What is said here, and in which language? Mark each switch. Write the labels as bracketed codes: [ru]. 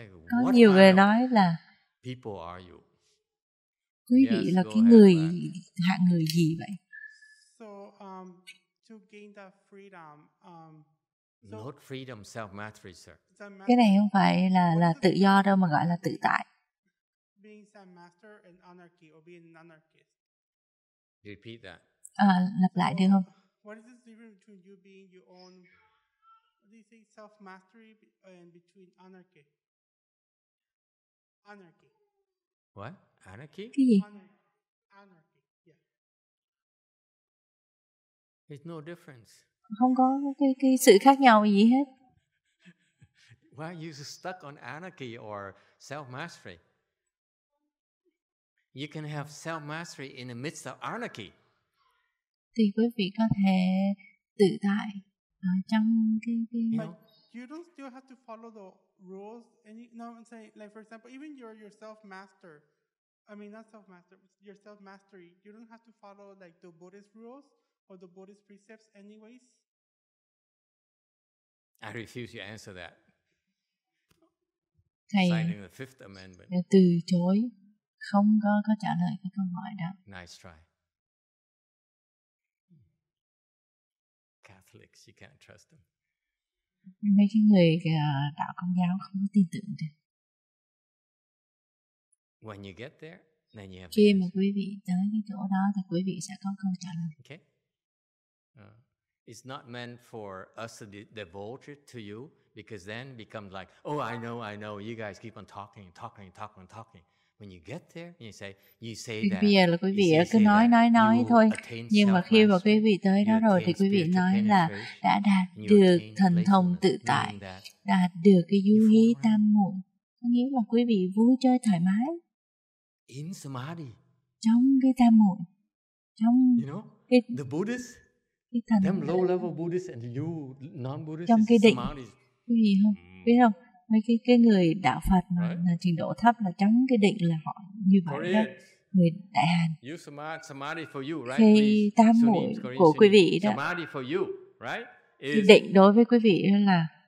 [vi] Có nhiều người nói là quý vị là cái người hạng người gì vậy? [en] Not freedom, self-mastery, sir. [vi] Cái này không phải là tự do đâu mà gọi là tự tại. [en] Being self-master and anarchy or being an anarchist. Repeat that. [vi] Lặp lại được không? [en] What is the difference between you being your own? Do you say self-mastery and between anarchy? Anarchy. What? Anarchy? [vi] Cái gì? [en] Anarchy. Yeah. There's no difference. [vi] Không có cái sự khác nhau gì hết. [en] Why are you stuck on anarchy or self-mastery? You can have self-mastery in the midst of anarchy. [vi] Thì quý vị có thể tự tại trong cái [en] you don't still have to follow the rules. And you know, say like for example, even your self-master, I mean not self-master, your self-mastery, you don't have to follow like the Buddhist rules or the Buddhist precepts anyways. I refuse to answer that. [vi] Thầy [en] signing the Fifth Amendment. [vi] Từ chối. Không có trả lời cái câu hỏi đó. [en] Nice try. Catholics, you can't trust them. [vi] Mấy cái người đạo Công giáo không có tin tưởng được. [en] When you get there, then you have. [vi] Khi mà quý vị tới cái chỗ đó thì quý vị sẽ có câu trả lời. [en] Okay. It's not meant for us to divulge it to you because then it becomes like, oh, I know, you guys keep on talking. When you get there, you say that. [vi] Bây giờ là quý vị cứ nói thôi. Nhưng mà khi mà quý vị tới đó rồi thì quý vị nói là đã đạt được thần thông tự tại, đạt được cái du hí tam muội. Có nghĩa là quý vị vui chơi thoải mái. [en] in samadhi. [vi] Trong cái tam muội, trong [en] you know, cái the Buddhist, [vi] cái thần [en] them low level Buddhist and you non Buddhist. [vi] Trong cái định, cái gì không? Biết không? Mấy cái người đạo Phật mà right? là trình độ thấp là trong cái định là họ như vậy đó. Người Đại Hàn. [en] You samadhi for you, right? [vi] Khi tam muội của quý vị đó. [en] Samadhi for you, right? [vi] Thì định đối với quý vị là